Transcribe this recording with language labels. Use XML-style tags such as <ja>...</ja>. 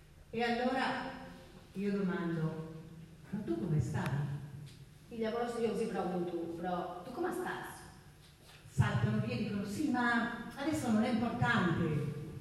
<it>E allora io domando, ma tu come stai?</it> <ca>I llavors jo els hi pregunto, però tu com estàs?</ca> <it>Saltano via e dicono, sì, ma adesso non è importante.</it>